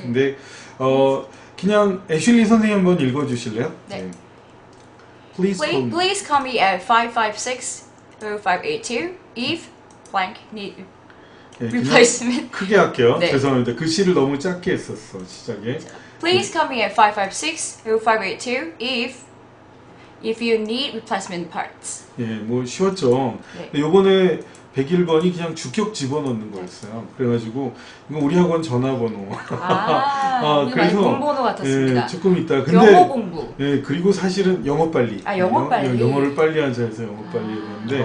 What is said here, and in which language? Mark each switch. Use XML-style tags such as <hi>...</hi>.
<ko>근데 그냥 애슐리 선생님 한번 읽어주실래요? 네. 네.</ko> <en>Please call me at 556 0582 if blank need replacement.</en> <ko>네, 크게 할게요. 네. 죄송합니다. 글씨를 너무 작게 했었어 시작에.</ko> <en>Please call me at 556-0582 if you need replacement parts.</en> <ko>예, 네, 뭐 쉬웠죠. 네. 이번에 101번이 그냥 주격 집어넣는 거였어요. 그래가지고 이거 우리 학원 전화번호. 아, 그래서 공 번호 같았습니다. 예, 조금 있다. 근데 영어 공부. 예, 그리고 사실은 영어 빨리. 아, 영어 빨리. 영어를 빨리 하자 해서 영어 빨리 했는데</ko>